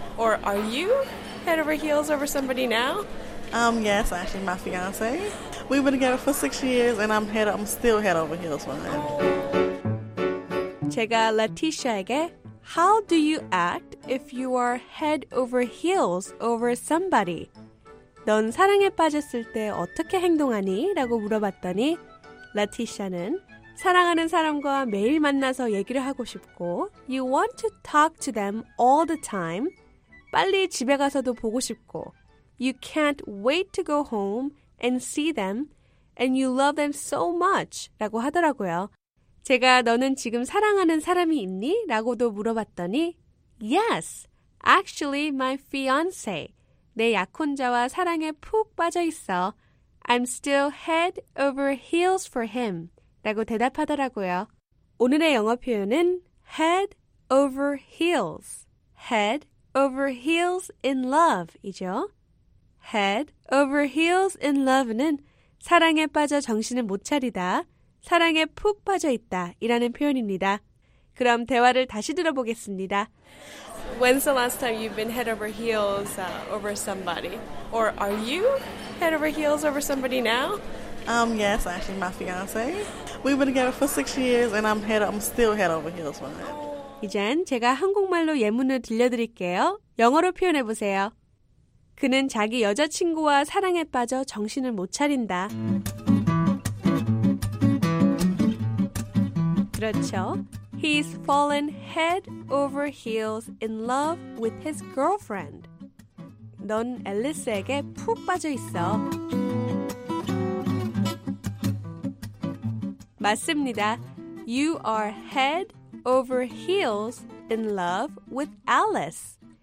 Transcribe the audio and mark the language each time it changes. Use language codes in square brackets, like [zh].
[en] Or are you head over heels over somebody now? Yes, actually, my fiancé. We've been together for 6 years, and I'm still head over heels for him. [ko] 제가 라티샤에게 [en] How do you act if you are head over heels over somebody? [ko] 넌 사랑에 빠졌을 때 어떻게 행동하니? 라고 물어봤더니 라티샤는 사랑하는 사람과 매일 만나서 얘기를 하고 싶고 [en] You want to talk to them all the time. [ko] 빨리 집에 가서도 보고 싶고 [en] You can't wait to go home and see them and you love them so much [ko] 라고 하더라고요. 제가 너는 지금 사랑하는 사람이 있니? 라고도 물어봤더니 [en] Yes, actually my fiancé. [ko] 내 약혼자와 사랑에 푹 빠져 있어. [en] I'm still head over heels for him. [ko] 라고 대답하더라고요. 오늘의 영어 표현은 [en] head over heels. Head over heels in love이죠. Head over heels in love는 [ko] 사랑에 빠져 정신을 못 차리다. 사랑에 푹 빠져 있다 이라는 표현입니다. 그럼 대화를 다시 들어보겠습니다. [en] When's the last time you've been head over heels over somebody? Or are you head over heels over somebody now? Yes, actually my fiance. We've been together for 6 years and I'm still head over heels for him. [ko] 이젠 제가 한국말로 예문을 들려드릴게요. 영어로 표현해 보세요. 그는 자기 여자친구와 사랑에 빠져 정신을 못 차린다. 그렇죠. [en] He's fallen head over heels in love with his girlfriend. [ko] 넌 앨리스에게 푹 빠져 있어. 맞습니다. [en] You are head over heels in love with Alice.